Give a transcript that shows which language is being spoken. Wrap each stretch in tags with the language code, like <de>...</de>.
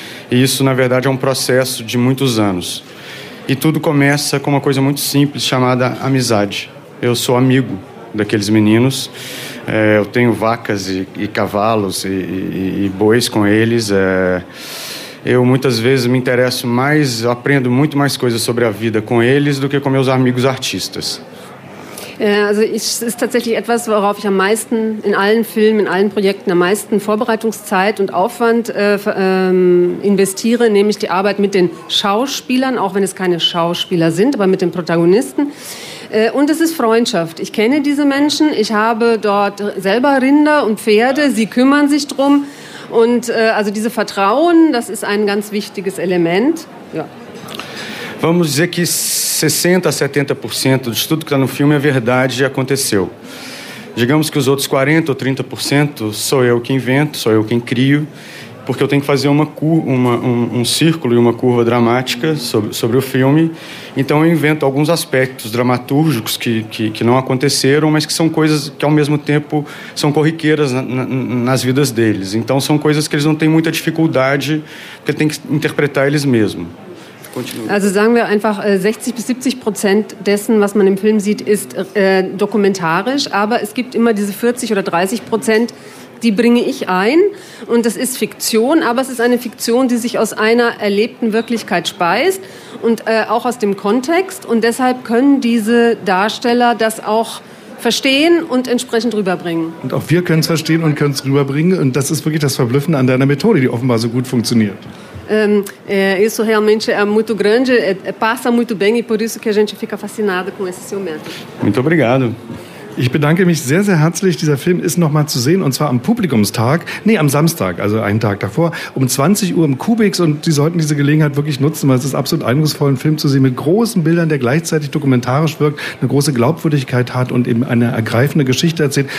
<pt>E isso, na verdade, é um processo de muitos anos. E tudo começa com uma coisa muito simples chamada amizade. Eu sou amigo daqueles meninos, eu tenho vacas e cavalos e bois com eles. Eu muitas vezes me interesso mais, eu aprendo muito mais coisas sobre a vida com eles do que com meus amigos artistas.</pt> <de>Also es ist tatsächlich etwas, worauf ich am meisten in allen Filmen, in allen Projekten am meisten Vorbereitungszeit und Aufwand investiere, nämlich die Arbeit mit den Schauspielern, auch wenn es keine Schauspieler sind, aber mit den Protagonisten. Und es ist Freundschaft. Ich kenne diese Menschen, ich habe dort selber Rinder und Pferde, sie kümmern sich drum. Und also diese Vertrauen, das ist ein ganz wichtiges Element. Ja.</de> <pt>Vamos dizer que 60 a 70% de tudo que está no filme é verdade e aconteceu. Digamos que os outros 40 ou 30% sou eu que invento, sou eu quem crio, porque eu tenho que fazer um círculo e uma curva dramática sobre o filme. Então eu invento alguns aspectos dramatúrgicos que não aconteceram, mas que são coisas que ao mesmo tempo são corriqueiras nas vidas deles. Então são coisas que eles não têm muita dificuldade, porque tem que interpretar eles mesmos.</pt> <de>Also sagen wir einfach, 60-70% dessen, was man im Film sieht, ist dokumentarisch, aber es gibt immer diese 40 oder 30%, die bringe ich ein und das ist Fiktion, aber es ist eine Fiktion, die sich aus einer erlebten Wirklichkeit speist und auch aus dem Kontext und deshalb können diese Darsteller das auch verstehen und entsprechend rüberbringen. Und auch wir können es verstehen und können es rüberbringen und das ist wirklich das Verblüffende an deiner Methode, die offenbar so gut funktioniert.</de> <pt>Isso realmente é muito grande, passa muito bem e por isso que a gente fica fascinado com esse seu método. Muito obrigado.</pt> <de>Ich bedanke mich sehr, sehr herzlich. Dieser Film ist noch mal zu sehen und zwar am Publikumstag, am Samstag, also einen Tag davor, um 20 Uhr im Kubix. Und Sie sollten diese Gelegenheit wirklich nutzen, weil es ist absolut eindrucksvoll, einen Film zu sehen mit großen Bildern, der gleichzeitig dokumentarisch wirkt, eine große Glaubwürdigkeit hat und eben eine ergreifende Geschichte erzählt.</de>